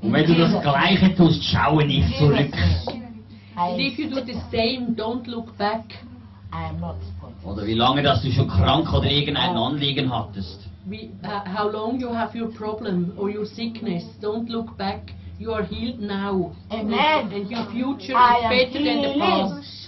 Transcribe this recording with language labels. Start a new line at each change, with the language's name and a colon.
German: Und wenn du das Gleiche tust, schaue nicht zurück.
English: And if you do the same, don't look back. I'm not spotless.
German: Oder wie lange, dass du schon krank oder irgendein Anliegen hattest.
English: How long you have your problem or your sickness? Don't look back. You are healed now. Amen. And your future is better than the past.